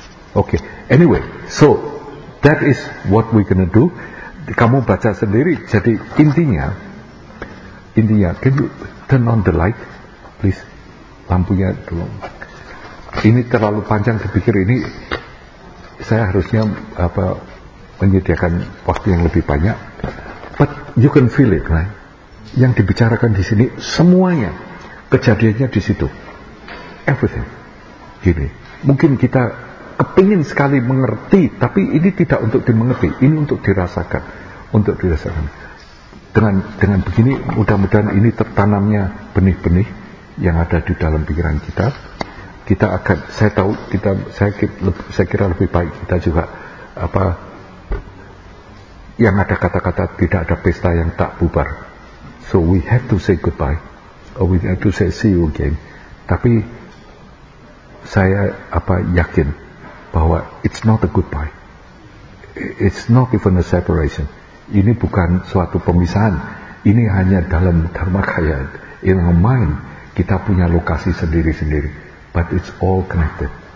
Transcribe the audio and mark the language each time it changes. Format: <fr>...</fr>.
<en>Okay, anyway, so that is what we gonna do.</en> <id>Kamu baca sendiri. Jadi intinya,</id> <en>can you turn on the light, please?</en> <id>Lampunya dulu. Ini terlalu panjang kepikir ini. Saya harusnya apa menyediakan waktu yang lebih banyak.</id> <en>But you can feel it, right?</en> <id>Yang dibicarakan di sini semuanya kejadiannya di situ.</id> <en>Everything.</en> <id>Gini, mungkin kita kepingin sekali mengerti, tapi ini tidak untuk dimengerti, ini untuk dirasakan, untuk dirasakan. Dengan begini, mudah-mudahan ini tertanamnya benih-benih yang ada di dalam pikiran kita. Kita akan, saya tahu, saya kira lebih baik kita juga apa yang ada kata-kata tidak ada pesta yang tak bubar.</id> <en>So we have to say goodbye, or we have to say see you again.</en> <id>Tapi saya apa yakin bahwa</id> <en>it's not a goodbye, it's not even a separation.</en> <id>Ini bukan suatu pemisahan, ini hanya dalam dharma kaya,</id> <en>in our mind</en> <id>kita punya lokasi sendiri-sendiri,</id> <en>but it's all connected.</en>